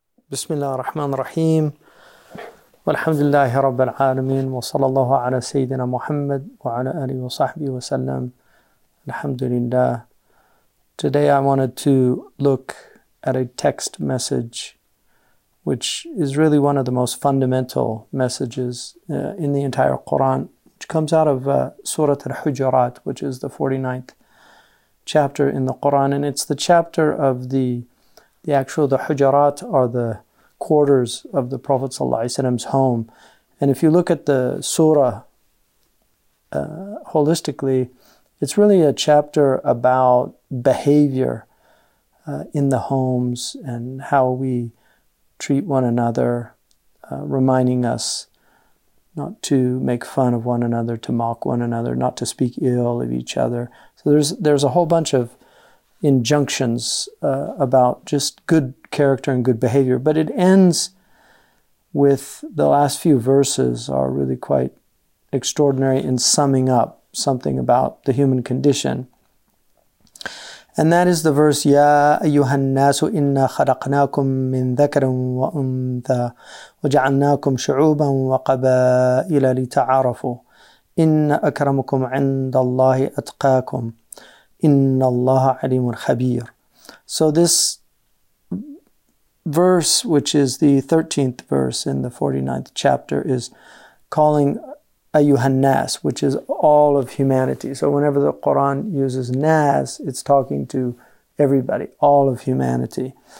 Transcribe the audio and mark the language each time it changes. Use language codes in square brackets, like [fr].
[ar] بسم الله الرحمن الرحيم والحمد لله رب العالمين وصلى الله على سيدنا محمد وعلى آله وصحبه وسلم الحمد لله. [en] Today I wanted to look at a text message which is really one of the most fundamental messages in the entire Quran, which comes out of Surah Al-Hujurat, which is the 49th chapter in the Quran, and it's the chapter of the Hujurat are the quarters of the Prophet ﷺ's home. And if you look at the surah holistically, it's really a chapter about behavior in the homes and how we treat one another, reminding us not to make fun of one another, to mock one another, not to speak ill of each other. So there's a whole bunch of injunctions about just good character and good behavior. But it ends with the last few verses are really quite extraordinary in summing up something about the human condition. And that is the verse, [ar] يَا أَيُّهَا النَّاسُ إِنَّا خَلَقْنَاكُمْ مِنْ ذَكَرٍ وَأُنْثَى وَجَعَلْنَاكُمْ شُعُوبًا وَقَبَائِلَ لِتَعَارَفُوا إِنَّ أَكْرَمُكُمْ عِنْدَ اللَّهِ أَتْقَاكُمْ إِنَّ اللَّهَ عَلِيمٌ خَبِيرٌ. [en] So this verse, which is the 13th verse in the 49th chapter, is calling [ar] أَيُّهَا النَّاسُ, [en] which is all of humanity. So whenever the Quran uses nas, it's talking to everybody, all of humanity.